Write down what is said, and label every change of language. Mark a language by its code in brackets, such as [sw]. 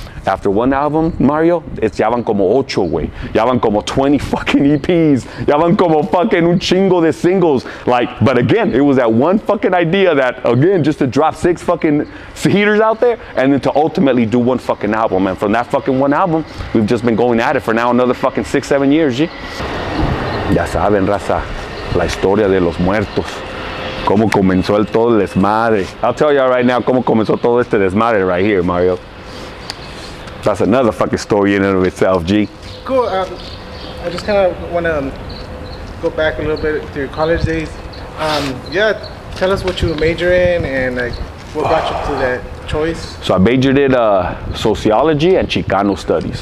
[en] After one album, Mario, it's [es] ya van como ocho, güey. Ya van como 20 fucking EPs. Ya van como fucking un chingo de singles. [en] Like, but again, it was that one fucking idea that, again, just to drop six fucking heaters out there and then to ultimately do one fucking album. And from that fucking one album, we've just been going at it for now another fucking 6-7 years, G. [es] Ya saben, raza, la historia de los muertos. Cómo comenzó el todo el desmadre. [en] I'll tell y'all right now [es] cómo comenzó todo este desmadre [en] right here, [es] Mario. [en] That's another fucking story in and of itself, G. Cool. I just kind of want to go back a little bit to your college days. Yeah, tell us what you major in and what brought you to that choice. So I majored in sociology and Chicano studies.